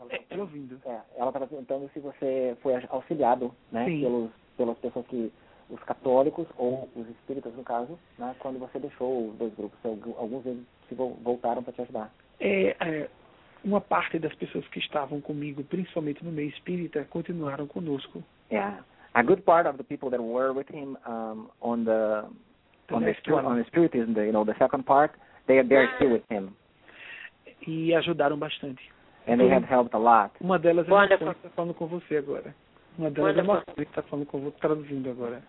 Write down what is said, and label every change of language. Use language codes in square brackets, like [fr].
[pt] Ela estava perguntando se você foi auxiliado, né, pelas pessoas que, os católicos ou os espíritas, no caso, né, quando você deixou os dois grupos, alguns deles se voltaram para te ajudar. Uma parte das pessoas que estavam comigo, principalmente no meio espírita, continuaram conosco. [en] A good part of the people that were with him on the spiritism, the second part, they are still with him. [pt] E ajudaram bastante. [en] And they have helped a lot. [pt] Uma delas é uma que está falando com você agora. Uma delas é uma que está falando com você, traduzindo agora.